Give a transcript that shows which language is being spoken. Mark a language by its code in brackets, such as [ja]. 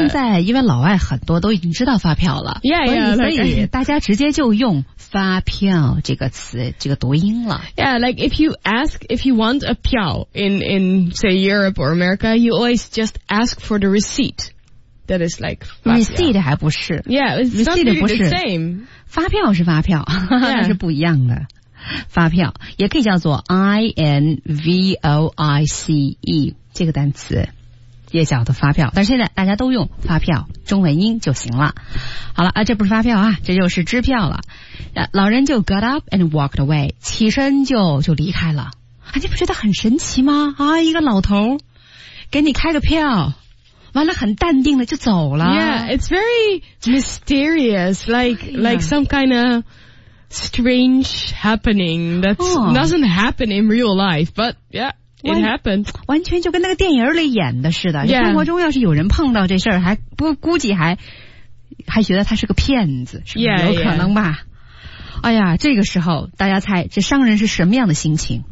[zh] 现在因为老外很多都已经知道发票了， [en] yeah, [zh] 所以大家直接就用发票这个词这个读音了。 [en] Yeah, like if you ask if you want a 票 in say Europe or America, you always just ask for the receipt. That is like 发票 [zh] receipt 还不是 [en] yeah [zh] receipt 不是 [en] the same [zh] 发票是发票、 [en] yeah. [zh] 那是不一样的。发票也可以叫做 invoice 这个单词也叫做发票，但是现在大家都用发票中文音就行了。好了啊，这不是发票啊，这就是支票了。老人就 [en] got up and walked away， [zh] 起身就离开了。你不觉得很神奇吗？啊，一个老头给你开个票，完了很淡定的就走了。 [en] Yeah, it's very mysterious, like some kind of strange happening that doesn't happen in real life, but yeah. It happened. [zh] 完全就跟那个电影里演的似的。 [en] Yeah. [zh] 生活中要是有人碰到这事儿，还不估计还觉得他是个骗子，是吧？有可能吧。 [en] Yeah. [zh] 哎呀，这个时候大家猜这商人是什么样的心情？